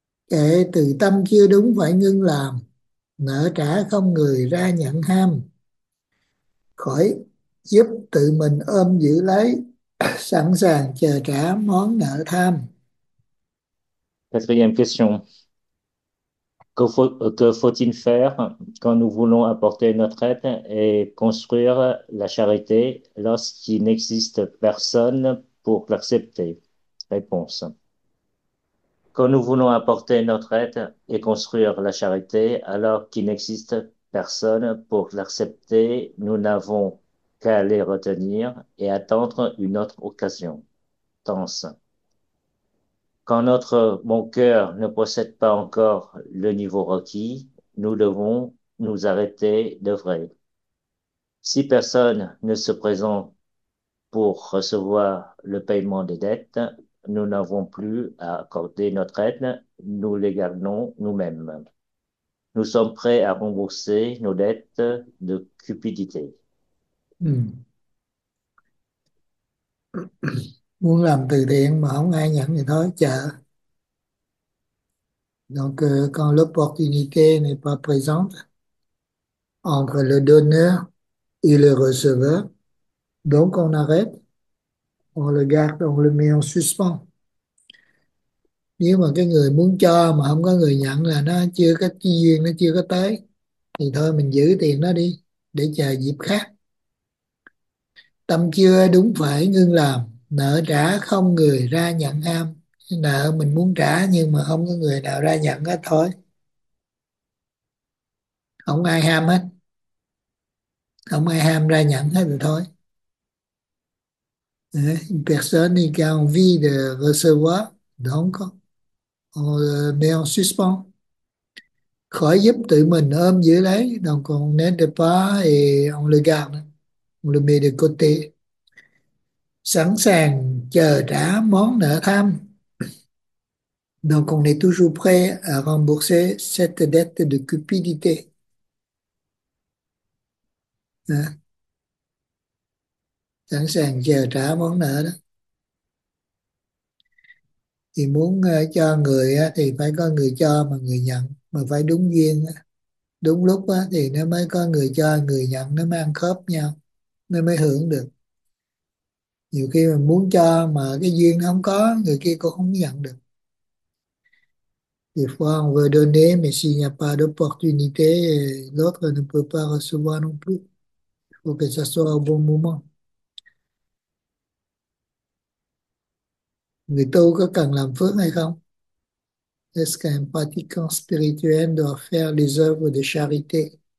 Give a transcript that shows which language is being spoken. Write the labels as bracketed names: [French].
[Vietnamese] Kệ, từ tâm chưa đúng phải ngưng làm, nợ trả không người ra nhận ham. Khỏi, giúp tự mình ôm giữ lấy, sẵn sàng chờ trả món nợ tham. [French] Quatrième question. Que faut-il faire quand nous voulons apporter notre aide et construire la charité lorsqu'il n'existe personne pour l'accepter? Réponse. Quand nous voulons apporter notre aide et construire la charité alors qu'il n'existe personne pour l'accepter, nous n'avons qu'à les retenir et attendre une autre occasion. Tense. Quand notre bon cœur ne possède pas encore le niveau requis, nous devons nous arrêter d'œuvrer. Si personne ne se présente pour recevoir le paiement des dettes, nous n'avons plus à accorder notre aide, nous les gardons nous-mêmes. Nous sommes prêts à rembourser nos dettes de cupidité. [Vietnamese] Muốn làm từ thiện mà không ai nhận thì thôi chờ. [French] Donc quand l'opportunité n'est pas présente, entre le donneur et le receveur, donc on arrête, on le garde, on le met en suspens. [Vietnamese] Nếu mà cái người muốn cho mà không có người nhận là nó chưa có cái duyên, nó chưa có tới, thì thôi mình giữ tiền nó đi để chờ dịp khác. Tâm chưa đúng phải ngưng làm, nợ trả không người ra nhận ham. Nợ mình muốn trả nhưng mà không có người nào ra nhận hết thôi. Không ai ham hết. Không ai ham ra nhận hết rồi thôi. [French] Personne n'a envie de recevoir. Donc, on met en suspens. [Vietnamese] Khỏi giúp tự mình ôm giữ lấy. [French] Donc, on n'est pas et on le garde. Le mets de côté. [Vietnamese] Sẵn sàng chờ trả món nợ tham. [French] Donc on est toujours prêt à rembourser cette dette de cupidité. Hein? [Vietnamese] Sẵn sàng chờ trả món nợ đó. Thì muốn cho người thì phải có người cho mà người nhận, mà phải đúng duyên. Đúng lúc thì nó mới có người cho, người nhận, nó mới ăn khớp nhau, nó mới hưởng được. Nhiều khi mình muốn cho mà cái duyên nó không có, người kia cũng không nhận được. [French] Des fois on veut donner, mais s'il n'y a pas d'opportunité, l'autre ne peut pas recevoir non plus. faut que ça soit au bon moment. [Vietnamese] Người tu có cần làm phước hay không? [French] Est-ce qu'un pratiquant spirituel doit faire des œuvres de charité?